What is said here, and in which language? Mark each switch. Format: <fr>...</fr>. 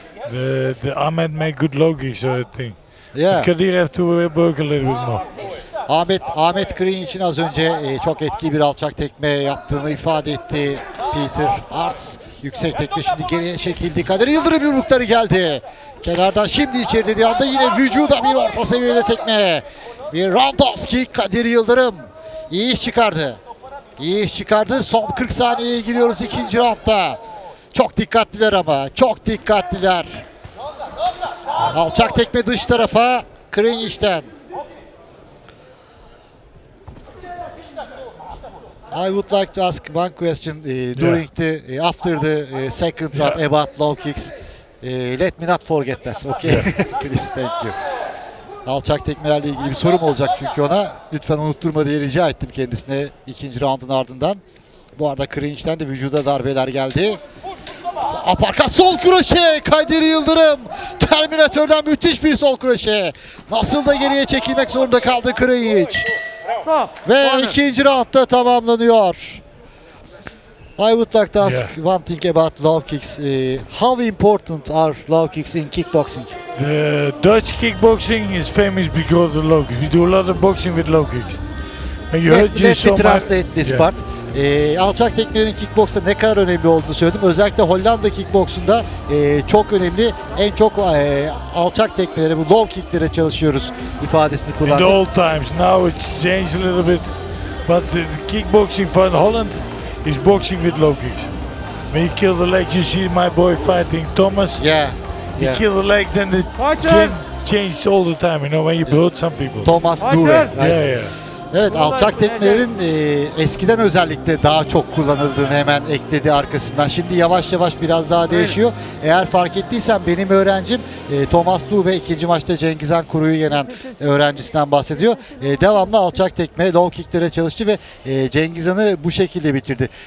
<en>The Ahmet make good low kicks, so I think. Yeah. Kadir have to work a little bit more.</en> <tr>Ahmet Green için az önce çok etkili bir alçak tekme yaptığını ifade etti Peter Arts. Yüksek tekme şimdi geriye çekildi. Kadir Yıldırım yumrukları geldi. Kenardan şimdi içeri dediği anda yine vücuda bir orta seviyede tekme. Bir roundhouse kick Kadir Yıldırım. İyi iş çıkardı. İyi iş çıkardı. Son 40 saniyeye giriyoruz ikinci roundda. Çok dikkatliler ama. Çok dikkatliler. Alçak tekme dış tarafa. Krenic'ten.</tr> <en>I would like to ask one question during the after the second round about low kicks. Let me not forget that. Okay. Please, thank you.</en> <tr>Alçak tekmelerle ilgili bir sorum olacak çünkü ona. Lütfen unutturma diye rica ettim kendisine ikinci roundun ardından. Bu arada Krenic'ten de vücuda darbeler geldi. Aparka sol kroşe Kadir Yıldırım. Terminatörden müthiş bir sol kroşe. Nasıl da geriye çekilmek zorunda kaldı Krenic. Ve ikinci roundda tamamlanıyor.</tr> <en>I would like to ask one thing about low kicks. How important are low kicks in kickboxing? The Dutch kickboxing is famous because of low kicks. We do a lot of boxing with low kicks. Let me translate this part.</en> <tr>Alçak tekmelerin kickboksta ne kadar önemli olduğunu söyledim. Özellikle Hollanda kickboksunda çok önemli. En çok alçak tekmelere, bu low kicklere çalışıyoruz ifadesini kullandım.</tr> <en>In the old times, now it's changed a little bit. But the kickboxing for Holland is boxing with low kicks. When you kill the legs, you see my boy fighting Thomas. Yeah. You kill the legs and it can change all the time, you know, when you blow some people. Thomas Dure. Yeah, yeah.</en> <tr>Evet, alçak tekmelerin eskiden özellikle daha çok kullanıldığını hemen ekledi arkasından. Şimdi yavaş yavaş biraz daha değişiyor. Eğer fark ettiysen benim öğrencim Thomas Du ve ikinci maçta Cengizhan Kuru'yu yenen öğrencisinden bahsediyor. Devamlı alçak tekme, low kicklere çalıştı ve Cengizhan'ı bu şekilde bitirdi.</tr>